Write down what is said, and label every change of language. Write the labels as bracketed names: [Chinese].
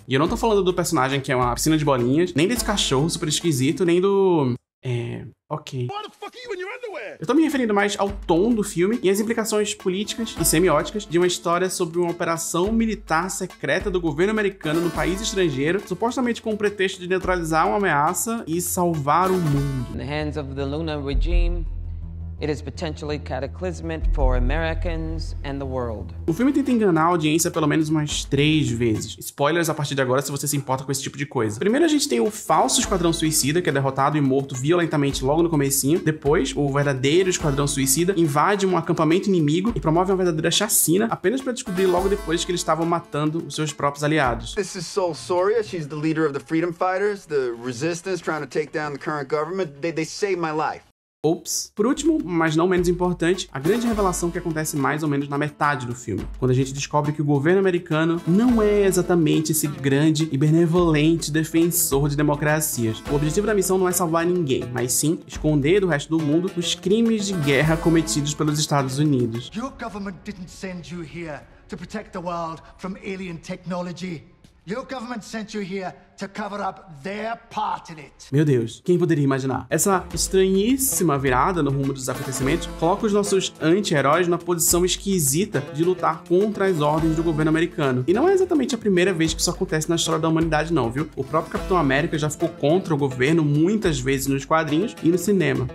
[Portuguese] E eu não tô falando do personagem que é uma piscina de bolinhas, nem desse cachorro super esquisito, nem do... Ok. Eu tô me referindo mais ao tom do filme e às implicações políticas e semióticas de uma história sobre uma operação militar secreta do governo americano no país estrangeiro, supostamente com o pretexto de neutralizar uma ameaça e salvar o mundo. [English] In the hands of the Luna regime. It is potentially cataclysmic for Americans and the world. [Portuguese] O filme tenta enganar a audiência pelo menos umas 3 vezes. Spoilers a partir de agora se você se importa com esse tipo de coisa. Primeiro a gente tem o falso Esquadrão Suicida, que é derrotado e morto violentamente logo no comecinho. Depois, o verdadeiro Esquadrão Suicida invade um acampamento inimigo e promove uma verdadeira chacina, apenas para descobrir logo depois que eles estavam matando os seus próprios aliados. [English] This is Sol Soria, she's the leader of the Freedom Fighters, the resistance trying to take down the current government. They saved my life. Ops. [Portuguese] Por último, mas não menos importante, a grande revelação que acontece mais ou menos na metade do filme, quando a gente descobre que o governo americano não é exatamente esse grande e benevolente defensor de democracias. O objetivo da missão não é salvar ninguém, mas sim esconder do resto do mundo os crimes de guerra cometidos pelos Estados Unidos. [English] Your government didn't send you here to protect the world from alien technology. Your government sent you here to cover up their part in it. [Portuguese] Meu Deus, quem poderia imaginar? Essa estranhíssima virada no rumo dos acontecimentos coloca os nossos anti-heróis na posição esquisita de lutar contra as ordens do governo americano. E não é exatamente a primeira vez que isso acontece na história da humanidade não, viu? O próprio Capitão América já ficou contra o governo muitas vezes nos quadrinhos e no cinema.